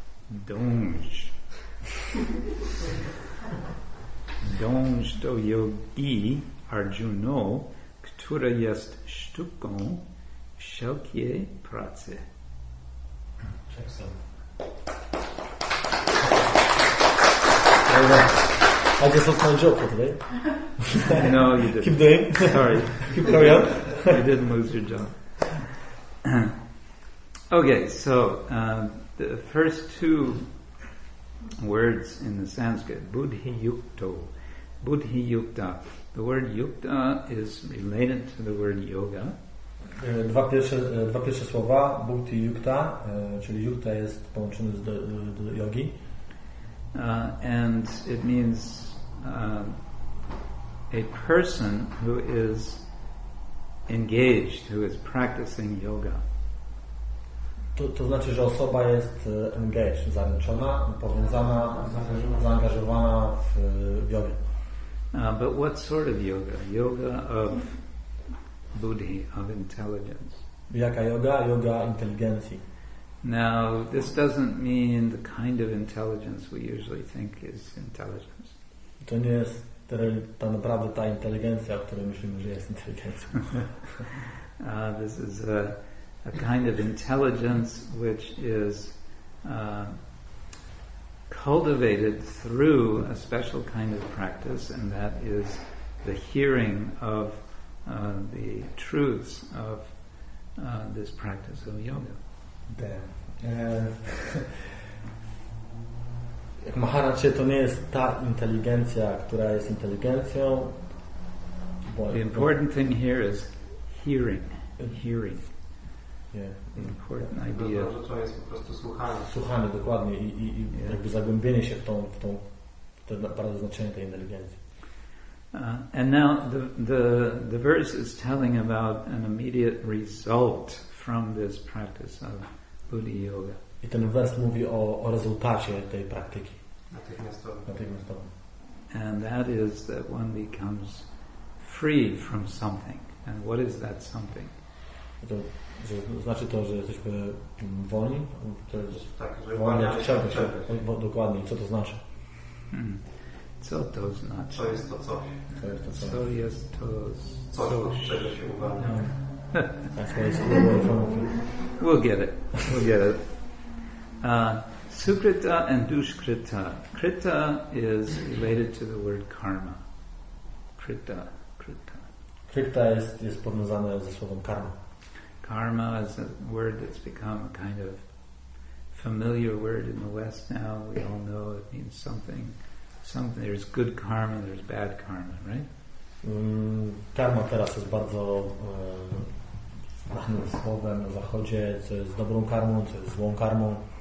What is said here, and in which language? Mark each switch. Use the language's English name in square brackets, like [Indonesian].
[Polish] Dąż. Dąż do jogi, Arjuna, która jest sztuką wszelkiej pracy. [English] I just lost my job for today. No, you didn't. Keep doing. Sorry. Keep going on. You didn't lose your job. Okay, so the first two words in the Sanskrit, buddhi yukto, buddhi yukta. The word yukta is related to the word yoga. [Polish] Dwa pierwsze słowa, buddhi yukta, czyli yukta jest połączone z do yogi. [English] And it means a person who is engaged, who is practicing yoga. [Polish] To znaczy, że osoba jest engaged, zaręczona, powiązana, zaangażowana w jogę. [English] But what sort of yoga? Yoga of buddhi, of intelligence. [Polish] Jaka yoga? Yoga inteligencji. [English] Now, this doesn't mean the kind of intelligence we usually think is intelligence. [Polish] To nie jest ta naprawdę ta inteligencja, o której myślimy, że jest inteligencją. [English] This is a kind of intelligence which is cultivated through a special kind of practice, and that is the hearing of the truths of this practice of yoga. Damn. [Polish] Jak Maharaja, to nie jest ta inteligencja, która jest inteligencją. [English] The important thing here is hearing. Yeah. Important idea. [Polish] To jest po prostu słuchanie. Słuchanie, dokładnie. I yeah. Jakby zagłębienie się w to bardzo znaczenie tej inteligencji. [English] And now the verse is telling about an immediate result from this practice of buddhi yoga. [Polish] I ten wers mówi o rezultacie tej praktyki. Natychmiastowo. [English] And that is that one becomes free from something. And what is that something? [Polish] Znaczy to, że jesteśmy wolni? To jest tak, że wolni od czegoś. Dokładnie, co to znaczy? Co to znaczy? Co jest to coś? Co jest to coś? Co jest to coś? Coś, czego się uwalnia. [English] That's what it's called from. We'll get it. Sukrita and Duskrita. Krita is related to the word karma. Krita. [Polish] Krita jest powiązane ze słowem karma. [English] Karma is a word that's become a kind of familiar word in the West now. We all know it means something. There's good karma, there's bad karma, right? [Polish] Karma teraz jest bardzo znanym słowem na Zachodzie. Co jest dobrą karmą, co jest złą karmą.